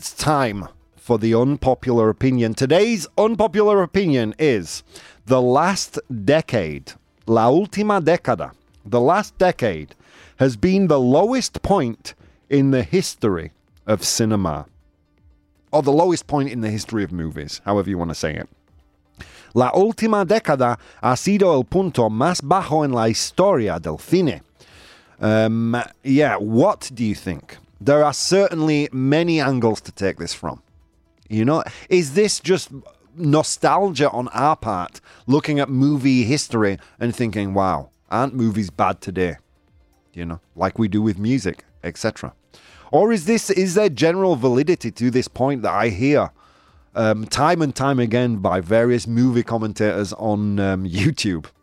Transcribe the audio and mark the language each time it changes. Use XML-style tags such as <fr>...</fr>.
<en>It's time for the unpopular opinion. Today's unpopular opinion is the last decade,</en> <es>la última década,</es> <en>the last decade has been the lowest point in the history of cinema. Or the lowest point in the history of movies, however you want to say it.</en> <es>La última década ha sido el punto más bajo en la historia del cine.</es> <en>Yeah, what do you think? There are certainly many angles to take this from. You know, is this just nostalgia on our part, looking at movie history and thinking, wow, aren't movies bad today? You know, like we do with music, etc. Or is there general validity to this point that I hear time and time again by various movie commentators on YouTube?</en>